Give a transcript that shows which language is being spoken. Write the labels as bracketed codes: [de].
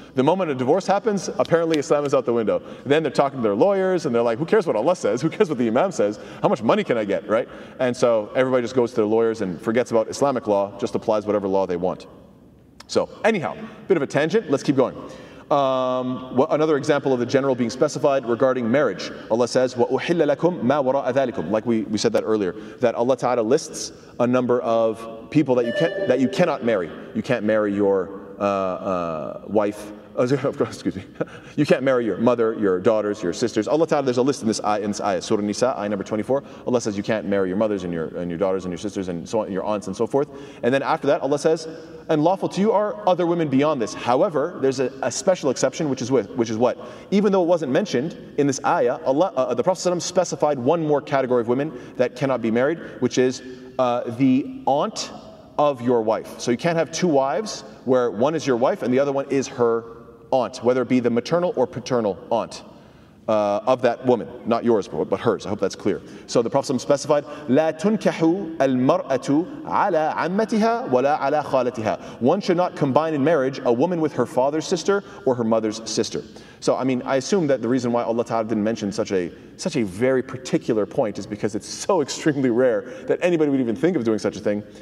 [en] The moment a divorce happens, apparently Islam is out the window. Then they're talking to their lawyers, and they're like, who cares what Allah says? Who cares what the imam says? How much money can I get, right? And so everybody just goes to their lawyers and forgets about Islamic law, just applies whatever law they want. So anyhow, bit of a tangent, let's keep going. Another example of the general being specified regarding marriage. Allah says, [ar] وَأُحِلَّ لَكُمْ مَا وَرَاءَ ذَلِكُمْ. [en] Like we said that earlier, that Allah Ta'ala lists a number of people that you cannot marry. You can't marry your wife. Excuse me. You can't marry your mother, your daughters, your sisters. Allah Ta'ala, there's a list in this ayah, Surah Nisa, ayah number 24. Allah says you can't marry your mothers and your daughters and your sisters and so on, and your aunts and so forth. And then after that, Allah says, and lawful to you are other women beyond this. However, there's a special exception, which is what? Even though it wasn't mentioned in this ayah, the Prophet ﷺ specified one more category of women that cannot be married, which is the aunt of your wife. So you can't have two wives where one is your wife and the other one is her aunt, whether it be the maternal or paternal aunt of that woman. Not yours, but hers. I hope that's clear. So the Prophet ﷺ specified, [ar] لَا تُنْكَحُ الْمَرْأَةُ عَلَىٰ عَمَّتِهَا وَلَا عَلَىٰ خَالَتِهَا. [en] One should not combine in marriage a woman with her father's sister or her mother's sister. So, I mean, I assume that the reason why Allah Ta'ala didn't mention such a very particular point is because it's so extremely rare that anybody would even think of doing such a thing.